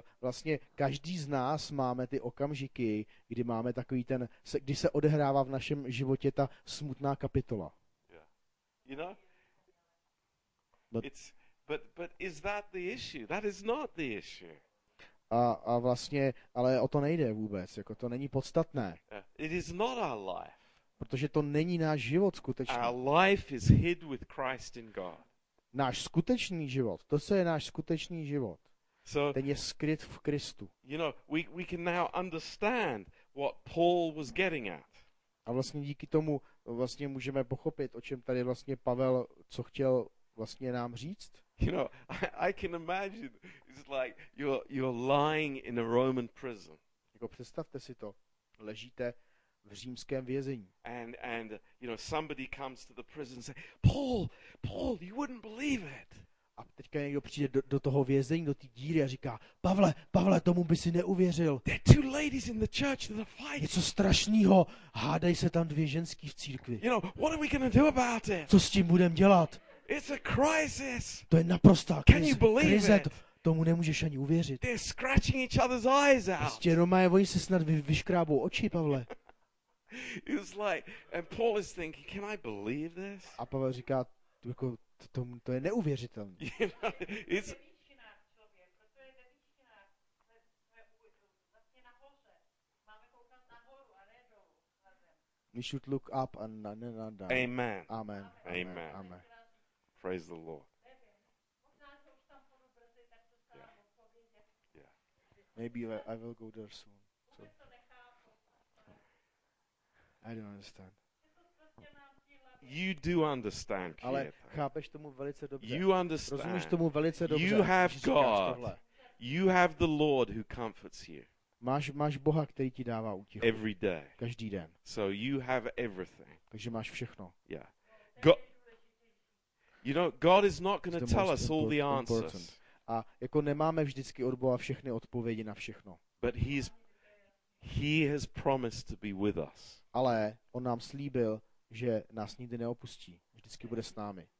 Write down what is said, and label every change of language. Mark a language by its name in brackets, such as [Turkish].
[Czech] Vlastně každý z nás máme ty okamžiky, kdy máme takový ten, když se odehrává v našem životě ta smutná kapitola. [English] You know? But is that the issue? That is not the issue. [Czech] A vlastně, ale o to nejde vůbec, jako to není podstatné. [English] It is not our life. [Czech] Protože to není náš život skutečný. [English] Our life is hid with Christ in God. [Czech] Náš skutečný život, to co je náš skutečný život. [English] So, [Czech] ten je skryt v Kristu. [English] You know, we can now understand what Paul was getting at. [Czech] A vlastně díky tomu vlastně můžeme pochopit, o čem tady vlastně Pavel co chtěl vlastně nám říct. [English] You know, I can imagine it's like you're lying in a Roman prison. [Czech] Jako představte si to, ležíte v římském vězení. [English] And you know, somebody comes to the prison and say, Paul, you wouldn't believe it. [Czech] A teďka někdo přijde do toho vězení, do té díry a říká, Pavle, tomu by si neuvěřil. [English] There are two ladies in the church that are fighting. [Czech] Něco strašného, hádají se tam dvě ženský v církvi. [English] You know, what are we gonna do about it? [Czech] Co s tím budeme dělat? [English] It's a crisis. [Czech] To je naprostá krize. [English] Can you believe it? [Czech] Tomu nemůžeš ani uvěřit. [English] They're scratching each other's eyes out. [Czech] Prostě Romaje, oni se snad vyškrábou oči, Pavle. [English] It's like, and Paul is thinking, can I believe this? [Czech] A Pavel říká, jako, to je neuvěřitelné. [English] You know, it's... We should look up and not down. Amen. Amen. Amen. Amen. Praise the Lord. Maybe I will go there soon. So. I don't understand. You do understand, Kieta. [Czech] Ale chápeš tomu velice dobře. [English] You understand. [Czech] Rozumíš tomu velice dobře. [English] You have God. You have the Lord who comforts you. [Czech] Máš Boha, který ti dává útěchu. [English] Every day. [Czech] Každý den. [English] So you have everything. [Czech] Takže máš všechno. [English] Yeah. You know, God is not going to tell us all the answers. [Czech] A jako nemáme vždycky od Boha všechny odpovědi na všechno. [English] But he has promised to be with us. [Czech] Ale on nám slíbil, že nás nikdy neopustí, vždycky bude s námi.